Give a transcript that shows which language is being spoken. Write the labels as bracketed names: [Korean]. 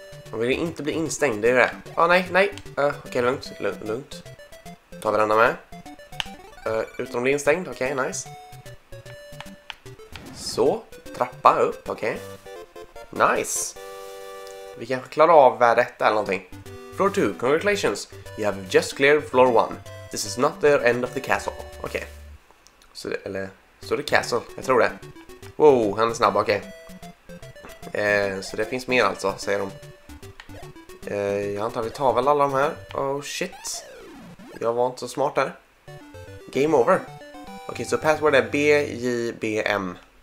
[Swedish] De vill inte bli instängd, det är det. Ah, nej, nej. Okej, lugnt, lugnt. Tar vi den där med. Utan att bli instängd, okej, nice. Så, trappa upp, okej. Nice. Vi kanske klarar av värdetta eller någonting. [English] Floor 2, congratulations. You have just cleared floor 1. This is not the end of the castle. Okej. Okay. [Swedish] Eller, så är det castle, jag tror det. Wow, han är snabb, okej. Så det finns mer alltså, säger de. Jag antar vi tar väl alla de här. [English] Oh shit. [Swedish] Jag var inte så smart där. Game over. Okej, okay, så password är BJBM.